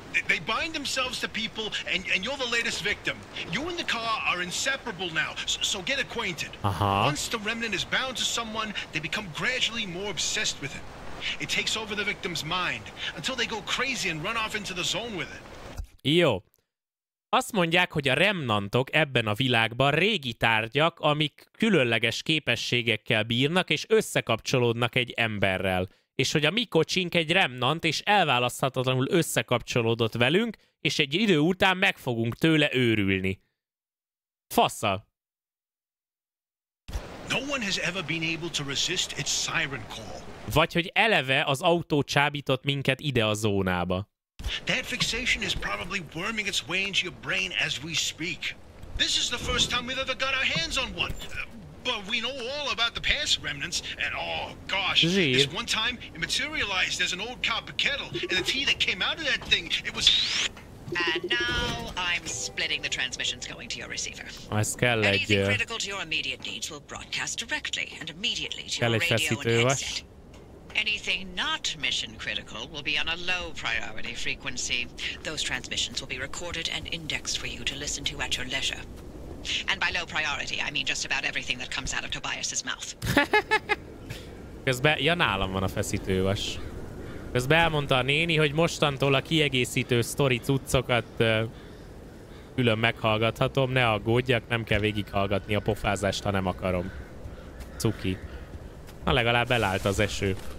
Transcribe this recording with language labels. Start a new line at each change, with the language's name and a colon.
English: They bind themselves to people, and you're the latest victim. You and the car are inseparable now, so get acquainted. Uh-huh. Once the remnant is bound to someone, they become gradually more obsessed with it. It takes over the victim's mind, until they go crazy and run off into the zone with it.
Hungarian: Jó. Azt mondják, hogy a remnantok ebben a világban régi tárgyak, amik különleges képességekkel bírnak, és összekapcsolódnak egy emberrel. És hogy a mi kocsink egy remnant, és elválaszthatatlanul összekapcsolódott velünk, és egy idő után meg fogunk tőle őrülni. Fasza!
English: No one has ever been able to resist its siren call.
Hungarian: Vagy hogy eleve az autó csábított minket ide a zónába.
English: That fixation is probably worming its way into your brain as we speak. This is the first time we've ever got our hands on one. But we know all about the past remnants, and oh gosh, this one time it materialized as an old copper kettle, and the tea that came out of that thing, it was... And now I'm splitting the transmissions going to your receiver.
Hungarian: Ez kell egy...
English: Anything critical to your immediate needs will broadcast directly and immediately to your radio and headset. Anything not mission critical will be on a low priority frequency. Those transmissions will be recorded and indexed for you to listen to at your leisure. And by low priority, I mean just about everything that comes out of Tobias's mouth.
Hungarian: Közben, ja, nálam van a feszítővas. Közben elmondta a néni, hogy mostantól a kiegészítő sztori cuccokat külön meghallgathatom. Ne aggódjak, nem kell végighallgatni a pofázást, ha nem akarom. Cuki. Na, legalább elállt az eső.